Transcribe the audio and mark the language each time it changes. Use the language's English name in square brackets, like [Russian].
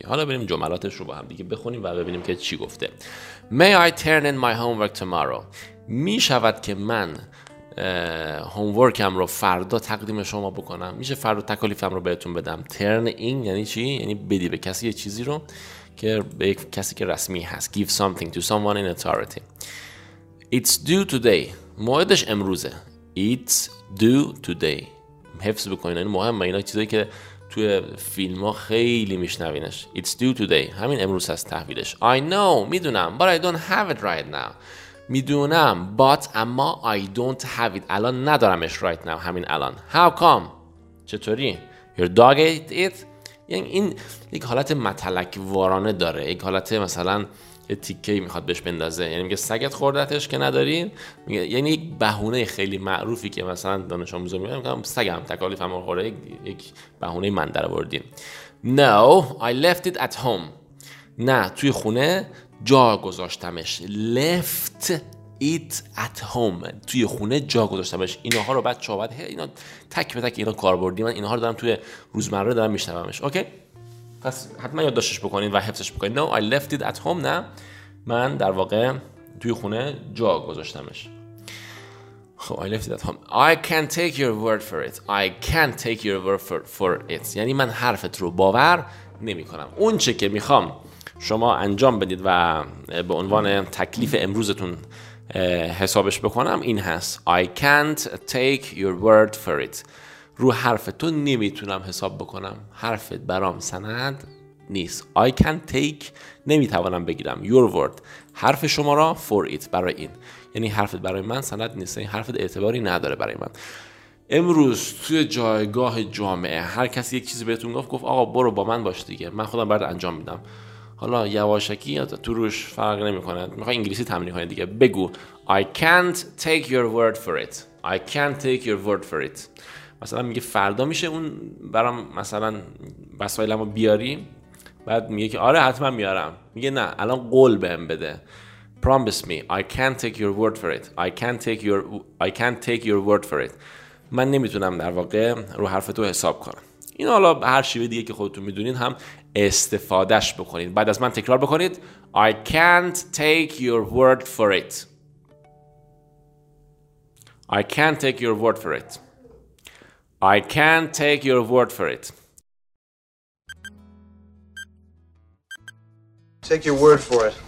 [Persian] حالا بریم جملاتش رو با هم دیگه بخونیم و ببینیم که چی گفته. [English] May I turn in my homework tomorrow؟ [Persian] میشود که من هوم‌ورکم رو فردا تقدیم شما بکنم، میشه فردا تکالیفم رو بهتون بدم. ترن این یعنی چی؟ یعنی بدی به کسی یه چیزی رو که به کسی که رسمی هست، [English] give something to someone in authority. it's due today، [Persian] موعدش امروزه. [English] it's due today، [Persian] حفظ بکنین این مهمه، اینا چیزایی که توی فیلم‌ها خیلی میشنوینش. [English] it's due today، [Persian] همین امروز هست تحویلش. [English] I know، [Persian] میدونم، [English] but I don't have it right now. میدونم، but [Persian] اما [English] I don't have it، [Persian] الان ندارمش [English] right now، [Persian] همین الان. [English] how come، [Persian] چطوری، [English] your dog ate it. [Persian] یعنی این یک حالت متلک وارانه داره، یک حالت مثلا یه تیکهی میخواد بهش بندازه، یعنی میگه سگت خوردتش که نداری، یعنی یک بهونه خیلی معروفی که مثلا دانش آموزو میگه سگم تکالیف هم خورده، یک بهونه من در آوردین. [English] no I left it at home، [Persian] نه توی خونه جا گذاشتمش. [English] left it at home، [Persian] توی خونه جا گذاشتمش. اینها رو بعد چاوبت اینا تک به تک اینا کاربردی، من اینها رو دارم توی روزمره دارم میشنومش. اوکی پس حتما یادداشتش بکنین و حفظش بکنین. [English] no I left it at home، [Persian] نه من در واقع توی خونه جا گذاشتمش. [English] خب I left it at home. I can't take your word for it. I can't take your word for it، [Persian] یعنی من حرفت رو باور نمی کنم. اون چه که میخوام شما انجام بدید و به عنوان تکلیف امروزتون حسابش بکنم این هست، [English] I can't take your word for it، [Persian] رو حرفتون نمیتونم حساب بکنم، حرفت برام سند نیست. [English] I can take [Persian] نمیتوانم بگیرم. [English] Your word. [Persian] حرف شما را [English] for it [Persian] برای این. یعنی حرفت برای من سند نیست. این حرفت اعتباری نداره برای من. امروز توی جایگاه جامعه هر کسی یک چیزی بهتون گفت، گفت آقا برو با من باش دیگه، من خودم برات انجام میدم. حالا یواشکی یا تو روش فرق نمی کنه، میخوای انگلیسی تمرین کنی دیگه، بگو [English] I can't take your word for it. I can't take your word for it. [Persian] مثلا میگه فردا میشه اون برام مثلا وسایلمو بیاری، بعد میگه که آره حتما میارم، میگه نه الان قول بهم بده. [English] Promise me. I can't take your word for it. I can't take your word for it. [Persian] من نمیتونم در واقع رو حرف تو حساب کنم. این حالا هر شیوه دیگه که خودتون میدونین هم استفادهش بکنید. بعد از من تکرار بکنید. [English] I can't take your word for it. I can't take your word for it. I can't take your word for it. Take your word for it.